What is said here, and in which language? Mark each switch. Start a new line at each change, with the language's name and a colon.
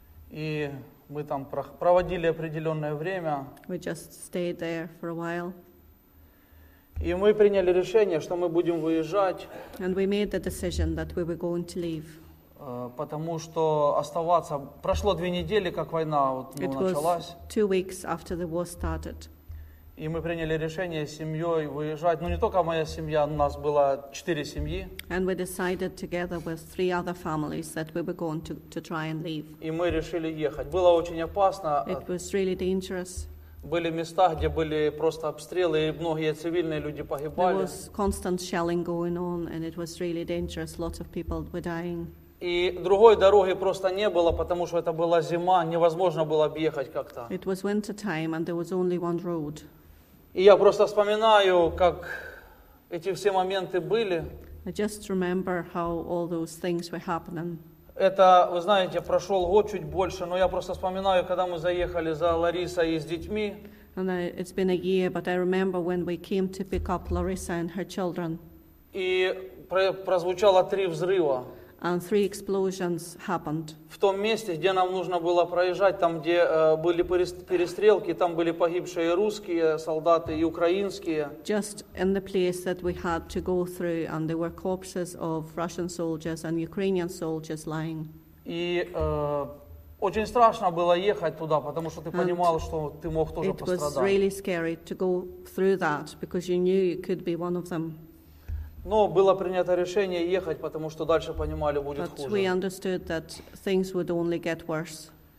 Russian: И мы там проводили определенное время.
English: We just stayed there for a while.
Russian: И мы приняли решение, что мы будем выезжать.
English: And we made the decision that we were going to leave.
Russian: Потому что оставаться... Прошло две недели, как война началась.
English: Two weeks after the war started.
Russian: И мы приняли решение с семьей выезжать. Ну, не только моя семья, у нас было четыре семьи.
English: And we decided together with three other families that we were going to try and leave.
Russian: И мы решили ехать. Было очень опасно.
English: It was really dangerous.
Russian: Были места, где были просто обстрелы, и многие цивильные люди погибали.
English: There was constant shelling going on, and it was really dangerous. Lots of people were dying.
Russian: И другой дороги просто не было, потому что это была зима, невозможно было объехать как-то.
English: It was winter time and there was only one road.
Russian: И я просто вспоминаю, как эти все моменты были.
English: I just remember how all those things were happening.
Russian: Это, вы знаете, прошел год чуть больше, но я просто вспоминаю, когда мы заехали за Ларисой и с детьми.
English: And it's been a year, but I remember when we came to pick up Larissa and her children.
Russian: И прозвучало три взрыва.
English: And three explosions happened.
Russian: В том месте, где нам нужно было проезжать, там, где были перестрелки, там были погибшие русские солдаты и украинские.
English: Just in the place that we had to go through, and there were corpses of Russian soldiers and Ukrainian soldiers lying.
Russian: И очень страшно было ехать туда, потому что ты понимал, что ты мог тоже пострадать.
English: It was really scary to go through that because you knew you could be one of them.
Russian: Но было принято решение ехать, потому что дальше понимали, будет
English: But
Russian: хуже.
English: We understood that things would only get worse.